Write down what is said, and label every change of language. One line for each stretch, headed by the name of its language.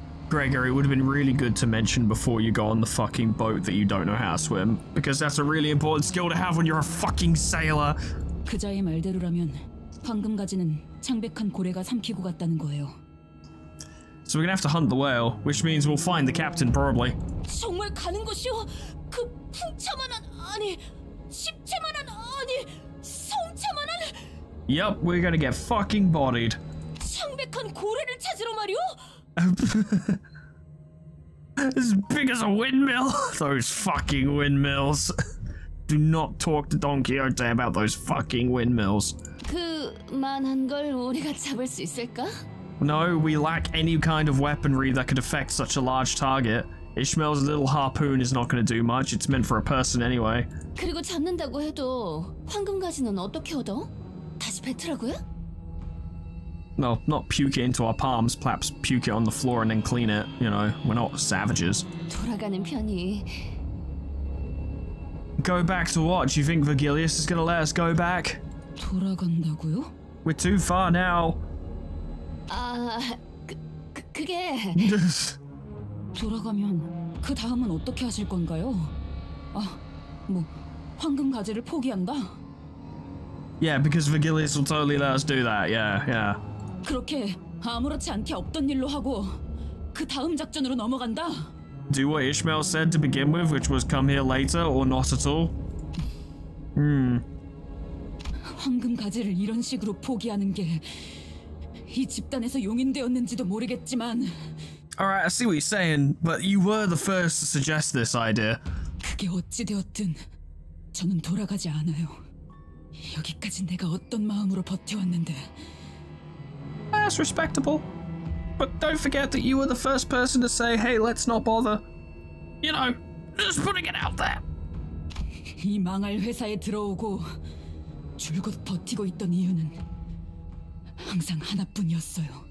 English: Gregory, it would have been really good to mention before you go on the fucking boat that you don't know how to swim, because that's a really important skill to have when you're a fucking sailor.
Korean: 그자의 말대로라면 방금 가지는 창백한 고래가 삼키고 갔다는 거예요.
English: So we're gonna have to hunt the whale, which means we'll find the captain probably.
Korean: 정말 가는 것이요? 그 풍차만한 아니 십체만한 아니 성체만한.
English: Yep, we're gonna get fucking bodied.
Korean: 창백한 고래를 찾으러 말이오?
English: As big as a windmill. Those fucking windmills. Do not talk to Don Quixote about those fucking windmills.
Korean: 그만한 걸 우리가 잡을 수 있을까?
English: No, we lack any kind of weaponry that could affect such a large target. Ishmael's little harpoon is not going to do much. It's meant for a person anyway.
Korean: 그리고 잡는다고 해도 황금 가지는 어떻게 얻어? 다시 뱉으라고요?
English: Well, not puke it into our palms, perhaps puke it on the floor and then clean it. You know, we're not savages.
Korean: 돌아가는 편이...
English: Go back to what? Do you think Virgilius is going to let us go back?
Korean: 돌아간다고요?
English: We're too far now.
Korean: 아... 그게... 돌아가면 그 다음은 어떻게 하실 건가요? 아, 뭐, 황금 가지를 포기한다?
English: Yeah, because Virgilius will totally let us do that, yeah, yeah.
Korean: 그렇게 아무렇지 않게 없던 일로 하고 그 다음 작전으로 넘어간다?
English: Do what Ishmael said to begin with, which was come here later or not at all?
Korean: 황금 가지를 이런 식으로 포기하는 게 이 집단에서 용인되었는지도 모르겠지만...
English: Alright, I see what you're saying, but you were the first to suggest this idea.
Korean: 그게 어찌 되었든 저는 돌아가지 않아요. 여기까지 내가 어떤 마음으로 버텨왔는데.
English: That's respectable. but don't forget that you were the first person to say, hey, let's not bother. You know, just putting it out there.
Korean: 이 망할 회사에 들어오고 줄곧 버티고 있던 이유는 항상 하나뿐이었어요.